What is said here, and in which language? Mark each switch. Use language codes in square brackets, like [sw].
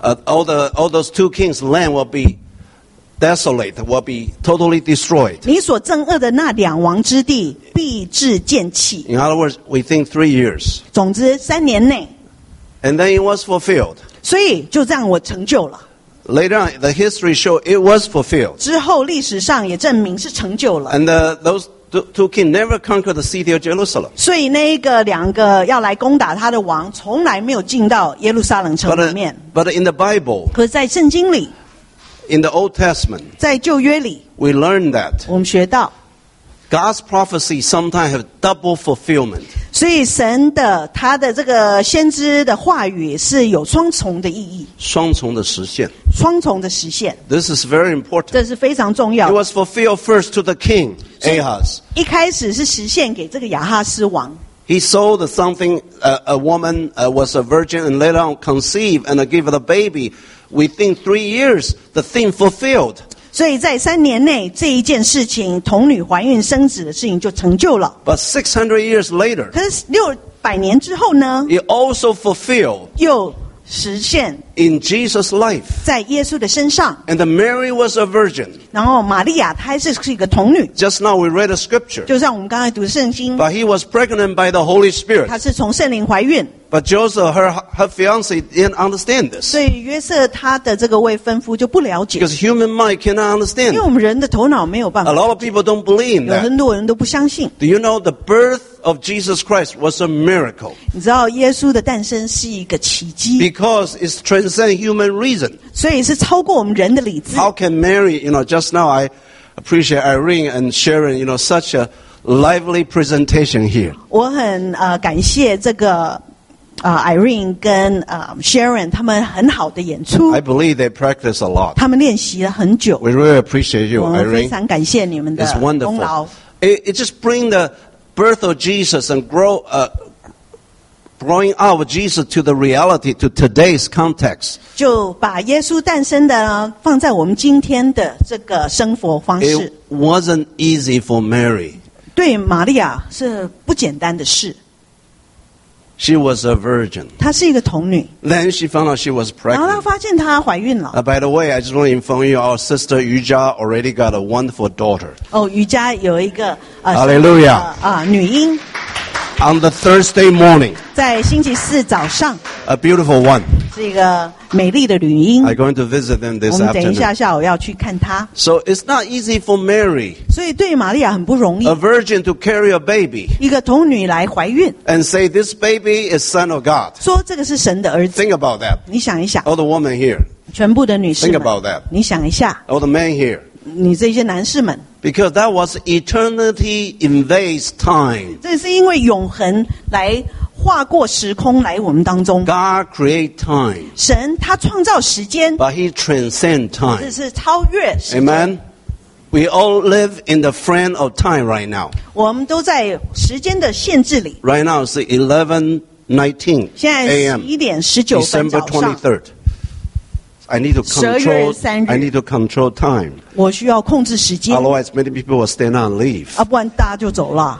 [en] all those two kings land will be desolate will be totally destroyed [zh] 你所憎恶的那两王之地必至见弃 [en] in other words within 3 years [zh] 总之三年内 [en] and then it was fulfilled [zh] 所以就这样我成就了 [en] Later on, the history showed it was fulfilled. [zh] 之后历史上也证明是成就了。 [en] And those two kings never conquered the city of Jerusalem. [zh] 所以那个两个要来攻打他的王，从来没有进到耶路撒冷城里面。 [en] But in the Bible, [zh] 可是在圣经里 [en] ，in the Old Testament, [zh] 在旧约里 [en] ，we learn that [zh] 我们学到 [en] God's prophecy sometimes have double fulfillment. [zh] 所以神的他的这个先知的话语是有双重的意义，双重的实现。双重的实现 [en] This is very important. [zh] 这是非常重要 [en] It was fulfilled first to the king, Ahaz. [zh] 一开始是实现给这个亚哈斯王 [en] He sold something, a woman was a virgin and later on conceived and gave the baby. Within 3 years, the thing fulfilled. [zh] 所以在三年内这一件事情童女怀孕生子的事情就成就了 [en] But 600 years later [zh] 可是600年之后呢 [en] It also fulfilled [zh] 又实现 [en] In Jesus' life [zh] 在耶稣的身上 [en] And Mary was a virgin [zh] 然后玛利亚她还是一个童女 [en] Just now we read a scripture [zh] 就像我们刚才读圣经 [en] But he was pregnant by the Holy Spirit [zh] 她是从圣灵怀孕 [en] But Joseph, her fiancé didn't understand this [zh] 所以约瑟他的这个未婚夫就不了解 [en] Because human mind cannot understand [zh] 因为我们人的头脑没有办法 [en] A lot of people don't believe that [zh] 有很多人都不相信 [en] Do you know the birthOf Jesus Christ was a miracle. [zh] 你知道耶稣的诞生是一个奇迹 [en] Because it transcends human reason. [zh] 所以是超过我们人的理智 [en] How can Mary, you know, just now I appreciate Irene and Sharon, you know, such a lively presentation here. [zh] 我很感谢这个Irene 跟Sharon 他们很好的演出 [en] I believe they practice a lot. [zh] 他们练习了很久 [en] We really appreciate you, Irene. [zh] 我们非常感谢你们的功劳 [en] It's wonderful. It just brings the birth of Jesus and growing out of Jesus to the reality to today's context [zh] 就把耶稣诞生的放在我们今天的这个生活方式 [en] It wasn't easy for Mary [zh] 对玛利亚是不简单的事 [en] She was a virgin [zh] 她是一个童女 [en] Then she found out she was pregnant [zh] 然后她发现她怀孕了 [en] By the way, I just want to inform you our sister Yu Jia already got a wonderful daughter [zh] 哦，瑜伽有一个 [en] Hallelujah. [zh] 女婴 [en] On the Thursday morning. [zh] 在星期四早上 [en] A beautiful one. [zh] 是一个美丽的女婴 [en] I'm going to visit them this afternoon. [zh] 我们等一下下午要去看她 [en] So it's not easy for Mary. [zh] 所以对玛利亚很不容易 [en] A virgin to carry a baby. [zh] 一个童女来怀孕 [en] And say this baby is son of God. [zh] 说这个是神的儿子 [en] Think about that. [zh] 你想一想 [en] All the women here. [zh] 全部的女士们 [en] Think about that. [zh] 你想一下 [en] All the men here. [zh] 你这些男士们 [en] Because that was eternity invades time. [zh] 这是因为永恒来划过时空来我们当中。 [en] God create time. [zh] 神他创造时间。 [en] But he transcend time. [zh] 这是超越时间。 [en] Amen. We all live in the frame of time right now. [zh] 我们都在时间的限制里。 [en] Right now is 11:19 a.m. [zh] 现在11:19 [en] December 23rd. I need to control time. [zh] 我需要控制时间。 [en] Otherwise, many people will stand and leave. [zh] 不然大家就走了。